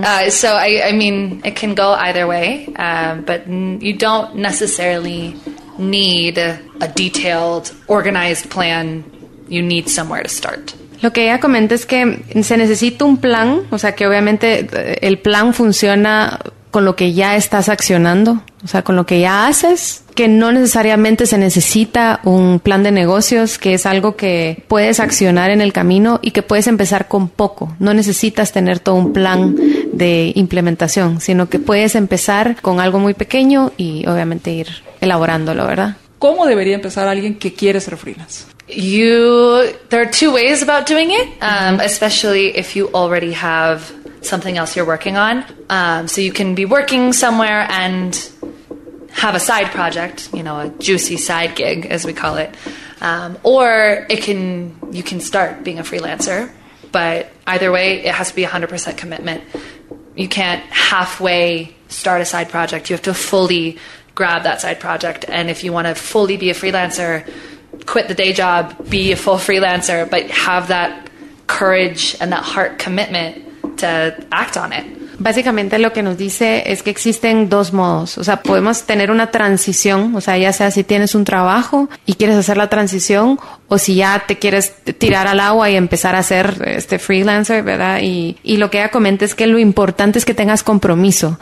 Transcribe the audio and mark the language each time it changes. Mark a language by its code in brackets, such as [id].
[en] So I mean, it can go either way, but you don't necessarily need a detailed, organized plan. You need somewhere to start. [es] Lo que ella comenta es que se necesita un plan, o sea, que obviamente el plan funciona con lo que ya estás accionando, o sea, con lo que ya haces, que no necesariamente se necesita un plan de negocios, que es algo que puedes accionar en el camino y que puedes empezar con poco. No necesitas tener todo un plan de implementación, sino que puedes empezar con algo muy pequeño y obviamente ir elaborándolo, ¿verdad? ¿Cómo debería empezar alguien que quiere ser freelance? [en] There are two ways about doing it, especially if you already have something else you're working on. So you can be working somewhere and have a side project, you know, a juicy side gig, as we call it. Or you can start being a freelancer, but either way, it has to be 100% commitment. You can't halfway start a side project. You have to fully grab that side project. And if you want to fully be a freelancer, quit the day job, be a full freelancer, but have that courage and that heart commitment to act on it. [es] Básicamente lo que nos dice es que existen dos modos. O sea, podemos tener una transición, o sea, ya sea si tienes un trabajo y quieres hacer la transición, o si ya te quieres tirar al agua y empezar a ser este freelancer, ¿verdad? Y lo que ella comenta es que lo importante es que tengas compromiso.